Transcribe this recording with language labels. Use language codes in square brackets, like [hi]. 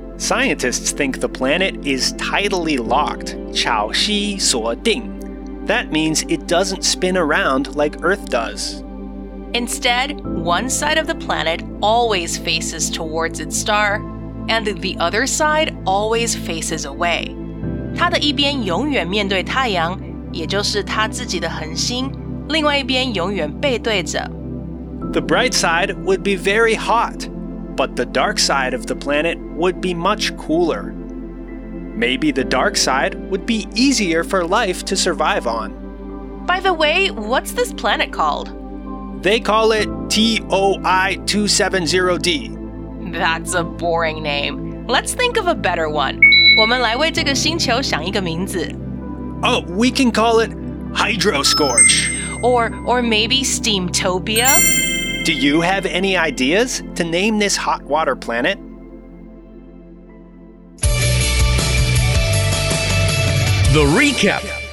[en] Scientists think the planet is tidally locked, [zh] 潮汐锁定. [en] That means it doesn't spin around like Earth does. Instead, one side of the planet always faces towards its star, and the other side always faces away. [zh] 它的一边永远面对太阳，也就是它自己的恒星，另外一边永远背对着。 [en] The bright side would be very hot, but the dark side of the planet would be much cooler. Maybe the dark side would be easier for life to survive on. By the way, what's this planet called? They call it TOI-270D. That's a boring name. Let's think of a better one. [zh] 我们来为这个星球想一个名字。 [en] Oh, we can call it Hydroscorch. Or maybe Steamtopia? Do you have any ideas to name this hot water planet? The Recap.